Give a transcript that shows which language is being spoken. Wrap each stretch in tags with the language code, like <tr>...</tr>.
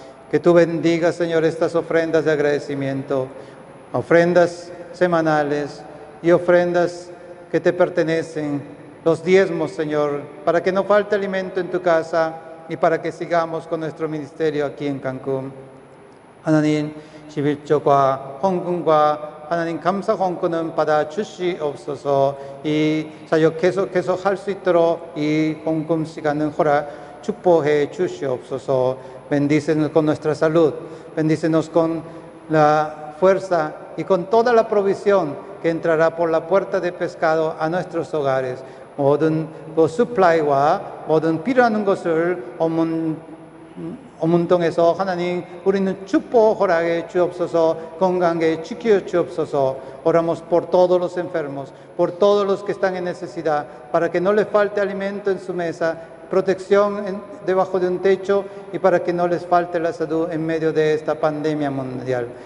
<es>Que tú bendiga, Señor, estas ofrendas de agradecimiento, ofrendas semanales y ofrendas que te pertenecen, los diezmos, Señor, para que no falte alimento en tu casa y para que sigamos con nuestro ministerio aquí en Cancún.</es> <ko>하나님, 십일조과 헌금과 하나님 감사 헌금은 받아 주시옵소서. 이 사역 계속 할 수 있도록 이 헌금 시간은 허락 축복해 주시옵소서. Bendícenos con nuestra salud, bendícenos con la fuerza y con toda la provisión que entrará por la puerta de pescado a nuestros hogares. 모든 그 supply와 모든 필요한 것을 오문동에서 하나님 우리는 축복 허락해 주옵소서 건강하게 지켜 주옵소서</ko> <es>oramos por todos los enfermos por todos los que están en necesidad para que no les falte alimento en su mesa protección debajo de un techo y para que no les falte la salud en medio de esta pandemia mundial</es>